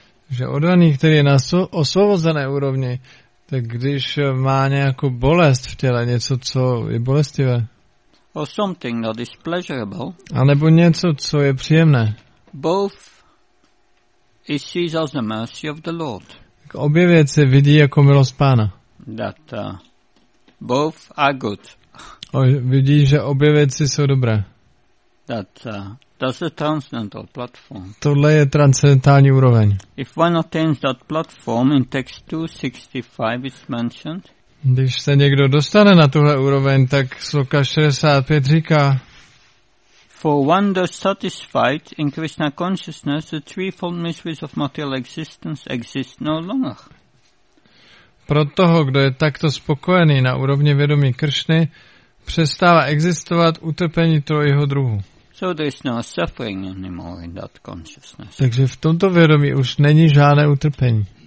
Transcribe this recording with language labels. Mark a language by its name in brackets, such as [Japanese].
[Czech] že odvaný, který je na osvobozené úrovni, tak když má nějakou bolest v těle, něco, co je bolestivé, [English] or something that is pleasurable, [Czech] anebo něco, co je příjemné, [English] both he sees as the mercy of the Lord. [Czech] Tak obě věci vidí jako milost Pána. [English] That both are good. [Czech] Vidí, že obě věci jsou dobré. [English] That's a transcendental platform. [Czech] Tohle je transcendentální úroveň. [English] If one attains that platform in text 265 is mentioned. [Czech] Když se někdo dostane na tuhle úroveň, tak sloka 65 říká: [English] For one thus satisfied in Krishna consciousness, the threefold mysteries of material existence exist no longer. [Czech] Pro toho, kdo je takto spokojený na úrovni vědomí Kršny, přestává existovat utrpení trojího druhu. [English] So there is no suffering anymore in that consciousness. [Czech] Takže v tomto vědomí už není žádné utrpení.